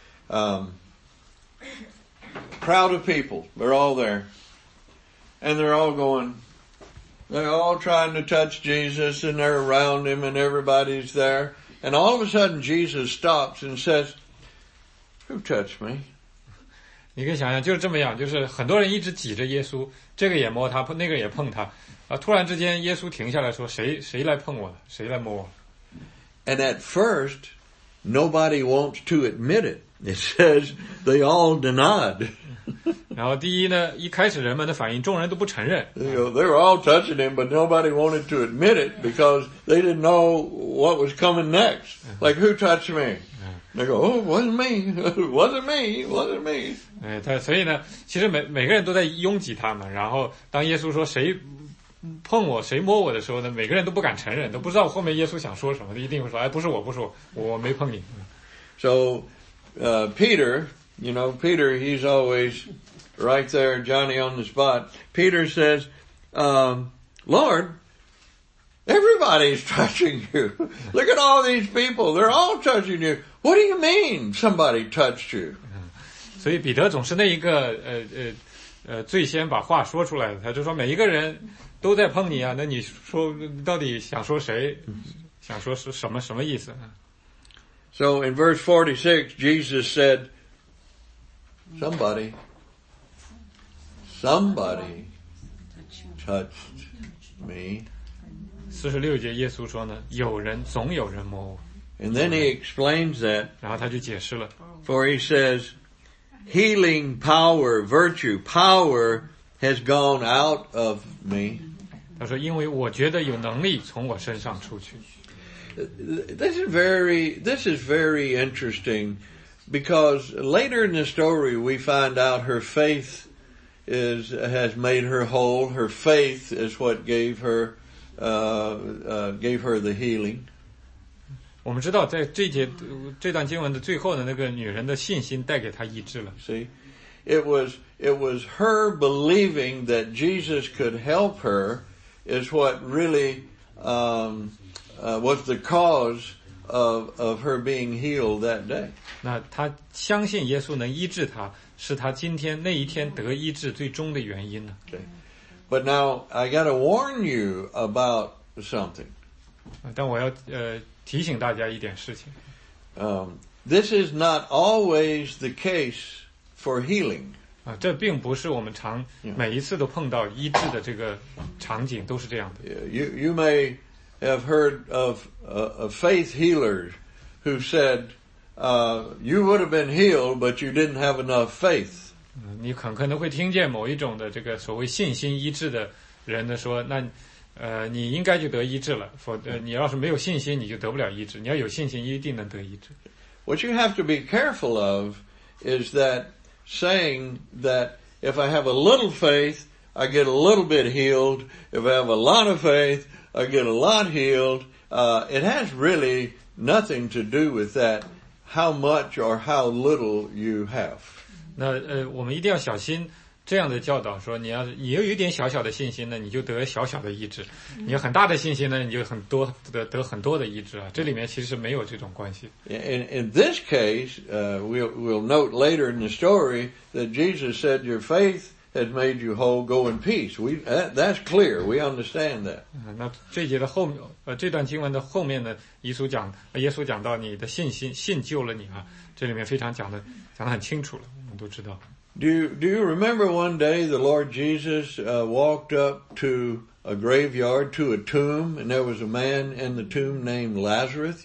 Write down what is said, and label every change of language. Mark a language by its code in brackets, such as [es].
[en] Okay. Crowd of people. They're all there. And they're all going. They're all trying to touch Jesus, and they're around him, and everybody's there. And all of a sudden, Jesus stops and says, who touched me? [zh] 你可以想想，就是这么样，就是很多人一直挤着耶稣，这个也摸他，那个也碰他，突然之间耶稣停下来说，谁来碰我，谁来摸我。 [en] And at first, nobody wants to admit it. It says they all denied. [zh] 然后第一呢，一开始人们的反应，众人都不承认。 [en] You know, they were all touching him, but nobody wanted to admit it because they didn't know what was coming next. Like, who touched me? They go, oh, wasn't me. [zh] 哎，所以呢，其实每个人都在拥挤他们。然后当耶稣说谁碰我，谁摸我的时候呢，每个人都不敢承认，都不知道后面耶稣想说什么，一定会说，哎，不是我，不是我，我没碰你。 [en] So, Peter, you know, Peter, he's always right there, Johnny on the spot. Peter says, Lord,Everybody's touching you. Look at all these people. They're all touching you. What do you mean somebody touched you? [zh] 所以彼得总是那一个最先把话说出来的。他就说每一个人都在碰你啊。那你说到底想说谁，想说是什么意思。 [en] So in verse 46, Jesus said, somebody touched me. [zh] 四十六节，耶稣说呢，有人总有人摸我。 [en] And then he explains that. [zh] 然后他就解释了。 [en] For he says, healing power, virtue, power has gone out of me. [zh] 他说，因为我觉得有能力从我身上出去。 [en] This is very interesting, because later in the story we find out her faith has made her whole. Her faith is what gave her the healing. [zh] 我们知道在这段经文的最后的那个女人的信心带给她医治了。 [en] See, it was her believing that Jesus could help her is what really, was the cause of her being healed that day. [zh] 那她相信耶稣能医治她，是她今天那一天得医治最终的原因呢。对。 [en] But now, I gotta warn you about something. [zh] 但我要提醒大家一点事情。 [en] This is not always the case for healing. [zh] 这并不是我们常每一次都碰到医治的这个场景都是这样的。 [en] You may have heard of a faith healer who said, you would have been healed, but you didn't have enough faith. [zh] 你可能会听见某一种的这个所谓信心医治的人呢说，那你应该就得医治了，否则你要是没有信心你就得不了医治，你要有信心一定能得医治。 [en] What you have to be careful of is that saying that if I have a little faith, I get a little bit healed, if I have a lot of faith, I get a lot healed, it has really nothing to do with that, how much or how little you have. [zh] 那我们一定要小心这样的教导，说你要你有一点小小的信心呢，你就得小小的医治；你有很大的信心呢，你就很多得很多的医治啊。这里面其实没有这种关系。 [en] In this case, we'll note later in the story that Jesus said, "Your faith has made you whole. Go in peace." That's clear. We understand that. [zh] 那这节的后面，这段经文的后面呢，耶稣讲到你的信救了你啊。这里面非常讲得很清楚了。 [en] Do you remember one day the Lord Jesus walked up to a graveyard to a tomb, and there was a man in the tomb named Lazarus.